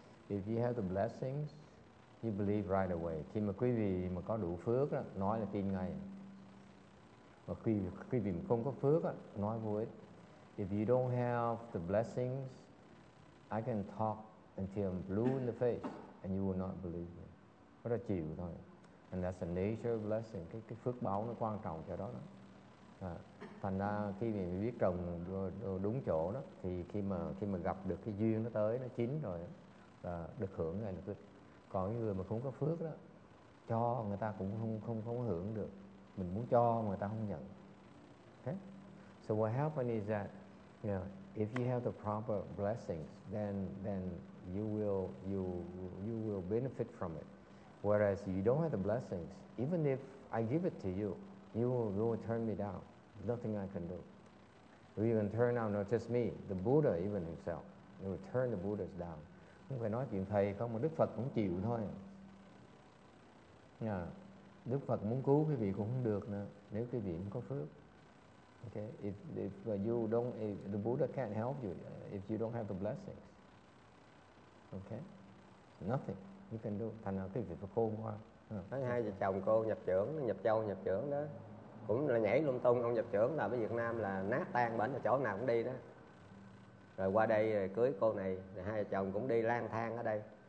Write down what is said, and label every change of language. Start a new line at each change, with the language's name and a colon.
English: If you have the blessings, you believe right away.
Vietnamese: Khi mà quý vị mà có đủ phước, đó, nói là tin ngay. Mà quý vị mà không có phước, đó, nói vô ích.
English: If you don't have the blessings, I can talk until I'm blue in the face, and you will not believe me.
Vietnamese: Rất là chịu thôi.
English: And that's the nature of blessing.
Vietnamese: Cái phước báo nó quan trọng cho đó. Thành ra khi mình biết trồng đúng chỗ đó, thì khi mà gặp được cái duyên nó tới, nó chín rồi, là được hưởng ngay được. Còn những người mà không có phước đó, cho người ta cũng không hưởng được. Mình muốn cho người ta không nhận.
English: Okay? So what happened is that, if you have the proper blessings, then you will benefit from it. Whereas you don't have the blessings, even if I give it to you, you will turn me down. Nothing I can do. You can turn down not just me, the Buddha even himself. You will turn the Buddhas down.
Vietnamese: Không phải nói chuyện thầy không, mà Đức Phật cũng chịu thôi. Đức Phật muốn cứu quý vị cũng không được nữa, nếu quý vị không có phước.
English: Okay? If the Buddha can't help you if you don't have the blessings. Okay? Nothing. You can do.
Vietnamese: Thành ra cái việc phải khôn quá. Thấy hai vợ chồng cô nhập trưởng, nhập châu nhập trưởng đó. Cũng là nhảy lung tung, ông nhập trưởng là ở Việt Nam là nát tan bệnh ở chỗ nào cũng đi đó. Rồi qua đây rồi cưới cô này, rồi hai vợ chồng cũng đi lang thang ở đây.